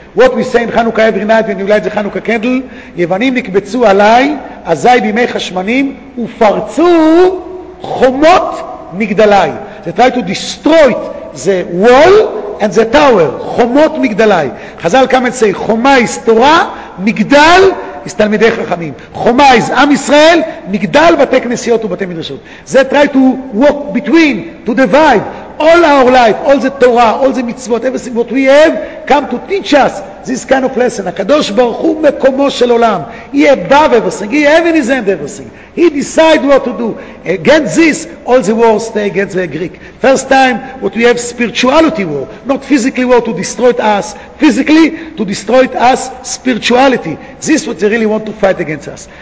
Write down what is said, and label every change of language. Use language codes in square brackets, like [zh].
[en] What we say in חנוכה every night when you light the חנוכה candle, [he] יוונים נקבצו עליי אזי בימי חשמנים ופרצו חומות מגדליי. [en] They try to destroy the wall and the tower. [he] חומות מגדליי. חזל קמת say חומה is תורה, מגדל is תלמידי חכמים. חומה is עם ישראל, מגדל בתי כנסיות ובתי מדרשות. [en] They try to walk between, to divide all our life, all the Torah, all the mitzvot, everything what we have, come to teach us this kind of lesson. [he] הקדוש ברוך הוא מקומו של עולם. [en] He above everything. He heaven is end everything. He decide what to do. Against this, all the wars stay against the Greek. First time, what we have spirituality war. Not physically war to destroy us. Physically, to destroy us spirituality. This is what they really want to fight against us.